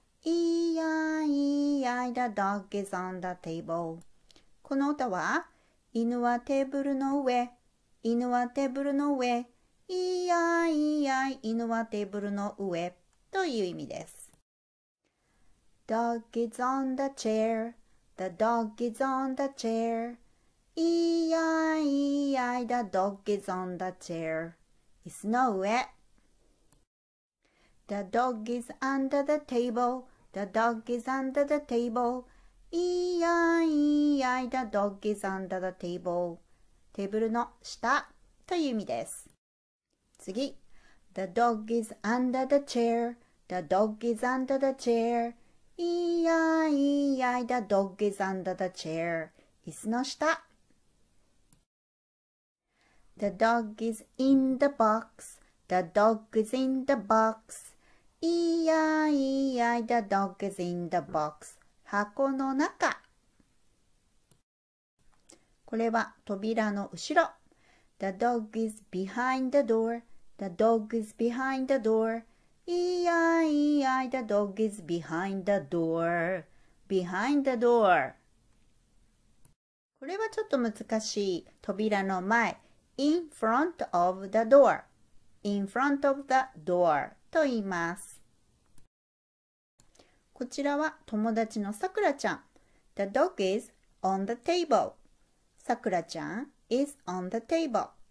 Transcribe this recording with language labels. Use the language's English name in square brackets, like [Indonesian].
[English] E-I-E-I, the dog is on the table. [Japanese] この歌は、犬はテーブルの上。犬はテーブルの上、いやいや、犬はテーブルの上という意味です。 [English] Dog is on the chair, the dog is on the chair, [Japanese] いやいや、 [English] the dog is on the chair, [Japanese] 椅子の上。 [English] The dog is under the table, the dog is under the table, [Japanese] いやいや、 [English] the dog is under the table. [Japanese] テーブルの下という意味です。 [English] 次。The dog is under the chair. The dog is under the chair. E-I-E-I, the dog is under the chair. [Japanese] 椅子の下。 [English] The dog is in the box. The dog is in the box. E-I-E-I, the dog is in the box. [Japanese] 箱の中。これは扉の後ろ。 [English] The dog is behind the door. The dog is behind the door. E-I-E-I, the dog is behind the door. Behind the door. [Japanese] これはちょっと難しい。扉の前。 [English] In front of the door. In front of the door. [Japanese] と言います。こちらは友達のさくらちゃん。 [English] The dog is on the table. さくらちゃん is on the table.